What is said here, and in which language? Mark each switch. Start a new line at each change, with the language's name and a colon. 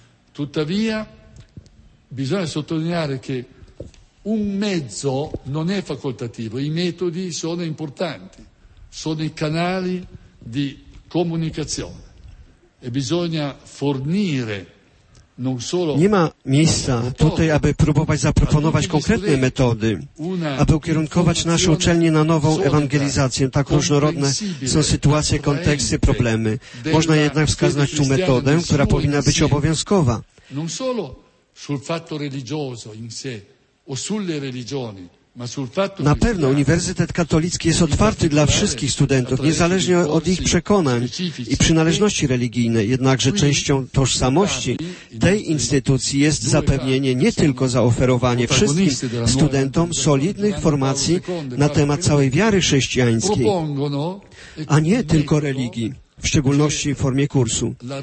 Italian: Tuttavia bisogna sottolineare che un mezzo non è facoltativo, i metodi sono importanti, sono i canali di comunicazione e bisogna fornire non solo.
Polish: Nie ma miejsca tutaj, aby próbować zaproponować konkretne metody, aby ukierunkować nasze uczelnie na nową ewangelizację. Tak różnorodne są sytuacje, konteksty, problemy. Można jednak wskazać tu metodę, która powinna być obowiązkowa.
Italian: Non solo sul fatto religioso in sé o sulle religioni.
Polish: Na pewno Uniwersytet Katolicki jest otwarty dla wszystkich studentów, niezależnie od ich przekonań i przynależności religijnej. Jednakże częścią tożsamości tej instytucji jest zapewnienie, nie tylko zaoferowanie wszystkim studentom solidnych formacji na temat całej wiary chrześcijańskiej, a nie tylko religii, w szczególności w formie kursu.